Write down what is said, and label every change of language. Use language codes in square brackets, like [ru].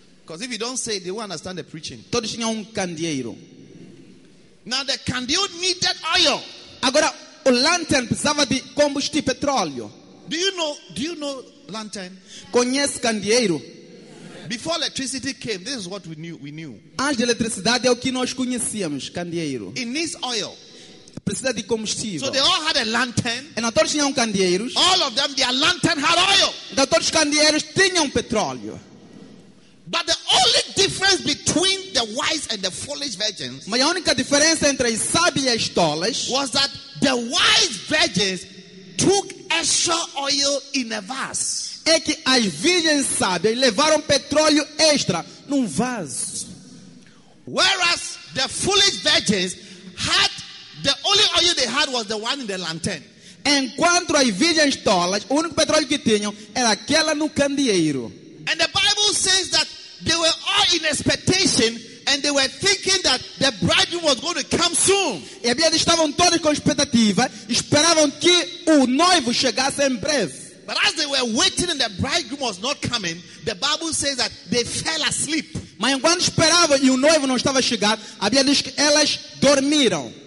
[en] Because si. If you don't say it, they won't understand the preaching. [pt] Todos tinham candeeiro. [en] Now the candle needed oil. [pt] Agora o lantern precisava de combustível petróleo. [en] Do you know lantern? [pt] Conhece candeeiro? [en] Before electricity came, this is what we knew. [pt] Antes da eletricidade é o que nós conhecíamos, candeeiro. [en] It needs oil. [pt] Precisa de combustível. [en] So they all had a lantern. [pt] E todos tinham candeeiros. [en] All of them, their lantern had oil. [pt] E todos os candeeiros tinham petróleo. [en] But the only difference between the wise and the foolish virgins. [pt] Mas a única diferença entre as sábias e as tolas [en] was that the wise virgins took extra oil in a vase. [pt] É que as virgens sábias levaram petróleo extra num vaso. [en] Whereas the foolish virgins had the only oil they had was the one in the lantern. [pt] Enquanto as virgens tolas, o único petróleo que tinham era aquela no candeeiro. [en] And the Bible says that they were all in expectation and they were thinking that the bridegroom was going to come soon. [pt] E a Bíblia diz, estavam todos com expectativa, esperavam que o noivo chegasse em breve. [en] But as they were waiting and the bridegroom was not coming, the Bible says that they fell asleep. [pt] Mas enquanto esperavam e o noivo não estava chegando, a Bíblia diz que elas dormiram.